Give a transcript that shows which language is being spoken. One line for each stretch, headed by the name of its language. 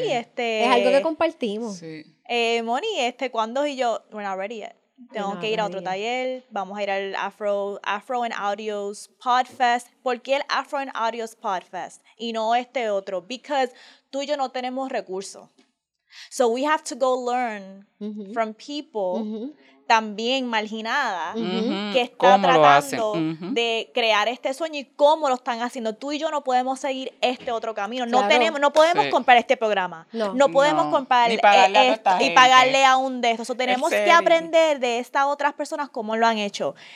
Spanish: es algo que compartimos. Sí. Moni, ¿cuándo? Y yo,
English: we're not ready yet.
Spanish: Tengo que ir a otro taller. Vamos a ir al Afro and Audios Podfest. ¿Por qué el Afro and Audios Podfest? Y no este otro.
English: Because
Spanish: tú y yo no tenemos recursos.
English: So we have to go learn mm-hmm. from people mm-hmm.
Spanish: también marginada mm-hmm. que está tratando mm-hmm. de crear este sueño y cómo lo están haciendo. Tú y yo no podemos seguir este otro camino. Claro. No podemos sí. comprar este programa. No podemos comprar esto y pagarle a un de estos. So, tenemos que aprender de estas otras personas cómo lo han hecho.